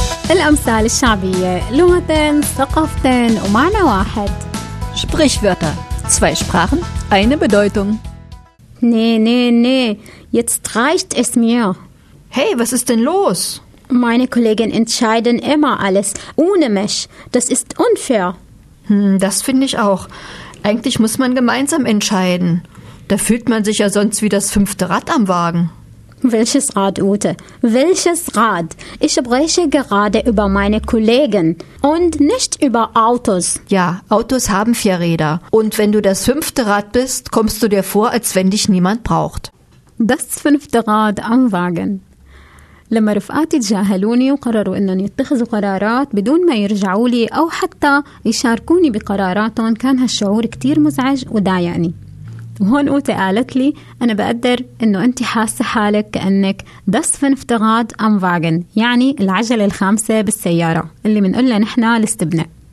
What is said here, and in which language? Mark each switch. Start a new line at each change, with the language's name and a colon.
Arabic: الأمثال الشعبية لغتين ثقافتين ومعنى واحد
German: Sprichwörter Zwei Sprachen, eine Bedeutung Nee, jetzt reicht es mir Hey, was ist denn los? Meine Kollegen entscheiden immer alles, ohne mich. Das ist unfair Das finde ich auch. Eigentlich muss man gemeinsam entscheiden. Da fühlt man sich ja sonst wie das fünfte Rad am Wagen Welches Rad, Ute? Welches Rad? Ich spreche gerade über meine Kollegen und nicht über Autos. Ja, Autos haben vier Räder. Und wenn du das fünfte Rad bist, kommst du dir vor, als wenn dich niemand braucht. Das fünfte Rad am Wagen.
Arabic: لما رفقاتي تجاهلوني وقرروا انهم يتخذوا قرارات بدون ما يرجعوا لي او حتى يشاركوني بقراراتهم كان هالشعور كتير مزعج وضايقني. وهون قوتة قالت لي أنا بقدر أنه أنت حاسة حالك كأنك
German: das fünfte Rad am Wagen
Arabic: يعني العجلة الخامسة بالسيارة اللي منقولها نحنا الاستبناء